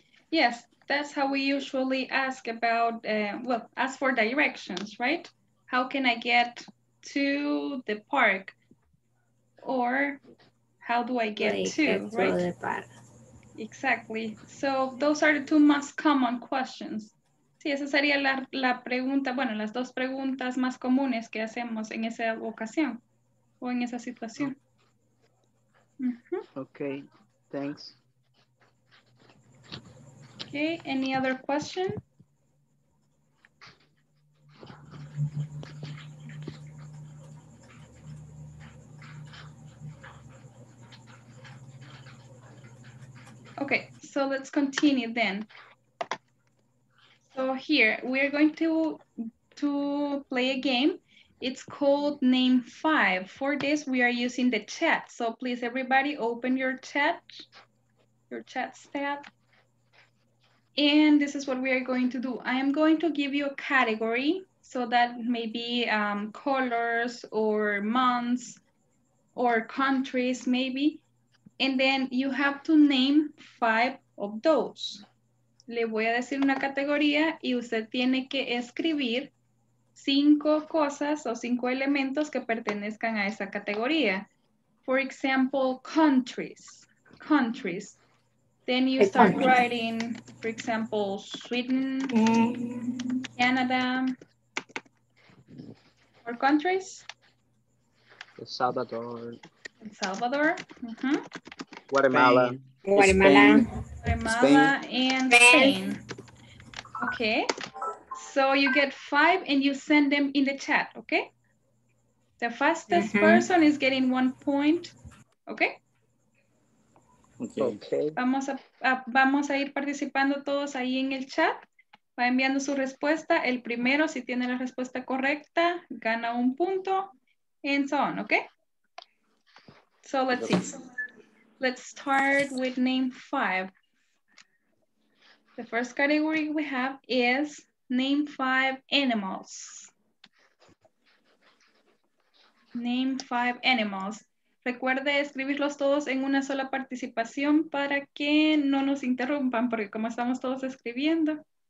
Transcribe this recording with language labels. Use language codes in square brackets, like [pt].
[en] Yes, that's how we usually ask about, well, ask for directions, right? How can I get to the park? Or how do I get to, right? Exactly. So those are the two most common questions. [es] Sí, esa sería la pregunta, bueno, las dos preguntas más comunes que hacemos en esa ocasión o en esa situación. [en] Mm-hmm. Okay, thanks. Okay, any other question? Okay, so let's continue then. So here, we're going to play a game. It's called Name 5. For this, we are using the chat. So please, everybody, open your chat tab. And this is what we are going to do. I am going to give you a category. So that may be colors or months or countries maybe. And then you have to name 5 of those. [es] Le voy a decir una categoría y usted tiene que escribir 5 cosas o 5 elementos que pertenezcan a esa categoría. [en] For example, countries. Then you start writing, for example, Sweden, Canada, or countries. El Salvador. Mm-hmm. Guatemala, Spain, and Spain. Okay. So you get 5 and you send them in the chat, okay? The fastest person is getting 1 point, okay? Okay. [es] Vamos a ir participando todos ahí en el chat. Va enviando su respuesta. El primero, si tiene la respuesta correcta, gana 1 punto, [en] and so on, okay? So let's see. Let's start with name 5. The first category we have is name 5 animals. Name 5 animals. [es] Recuerde escribirlos todos en una sola participación para que no nos interrumpan, porque como estamos todos escribiendo.